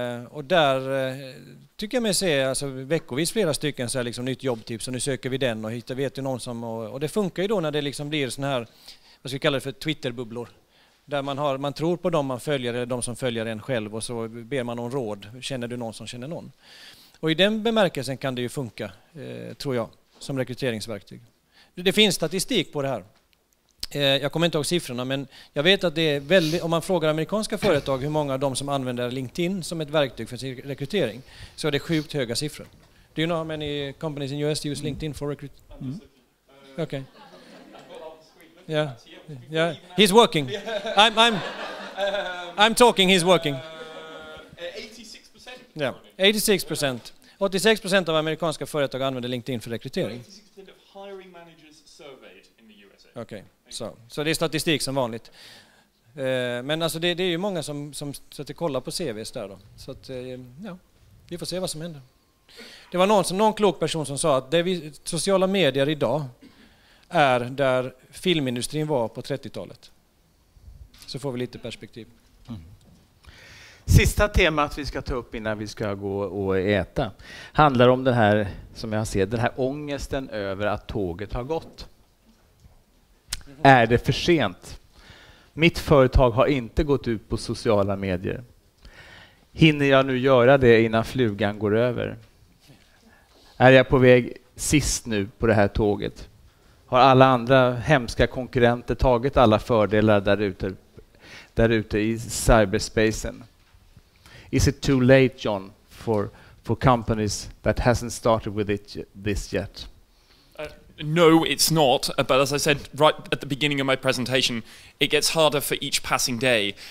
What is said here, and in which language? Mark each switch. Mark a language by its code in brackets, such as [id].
[sv] Och där tycker jag mig se, alltså, veckovis flera stycken så här, liksom, nytt jobbtips, och nu söker vi den och hittar, vet ju någon som, och det funkar ju då när det liksom blir sån här, vad ska vi kalla det för, Twitterbubblor, där man tror på dem man följer eller de som följer en själv, och så ber man om råd, känner du någon som känner någon, och i den bemärkelsen kan det ju funka, tror jag, som rekryteringsverktyg. Det finns statistik på det här. Jag kommer inte ihåg siffrorna, men jag vet att det är väldigt, om man frågar amerikanska företag hur många av dem som använder LinkedIn som ett verktyg för sin rekrytering, så är det sjukt höga siffror. [en] Do you know how many companies in US use LinkedIn for recruiting? Okay. Yeah. Yeah. He's working. I'm talking, he's working. 86%. Yeah. 86%. [sv] 86% av amerikanska företag använder LinkedIn för rekrytering. [en] 86% of hiring managers surveyed in the USA. Okay. [sv] Så det är statistik som vanligt. Men alltså det är ju många som sätter och kollar på CVs där då. Så att, ja, vi får se vad som händer. Det var någon klok person som sa att sociala medier idag är där filmindustrin var på 30-talet. Så får vi lite perspektiv. Sista temat vi ska ta upp innan vi ska gå och äta handlar om det här, som jag ser, den här ångesten över att tåget har gått. Är det för sent? Mitt företag har inte gått ut på sociala medier. Hinner jag nu göra det innan flugan går över? Är jag på väg sist nu på det här tåget? Har alla andra hemska konkurrenter tagit alla fördelar där ute i cyberspacen? [en] Is it too late, John, for companies that hasn't started with this yet? No, it's not. But as I said right at the beginning of my presentation, it gets harder for each passing day.